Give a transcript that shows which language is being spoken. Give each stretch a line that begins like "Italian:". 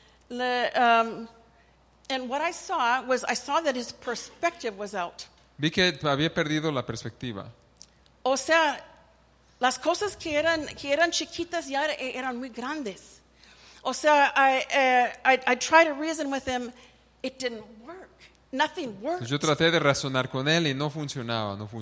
English: And what I saw was, I saw that his perspective was out.
Spanish: Vi que había perdido la perspectiva. O sea, las cosas que eran chiquitas ya eran muy grandes. O sea,
English: I tried to reason with him. It didn't work. Nothing worked.
Spanish: Yo traté de razonar con él y no funcionaba.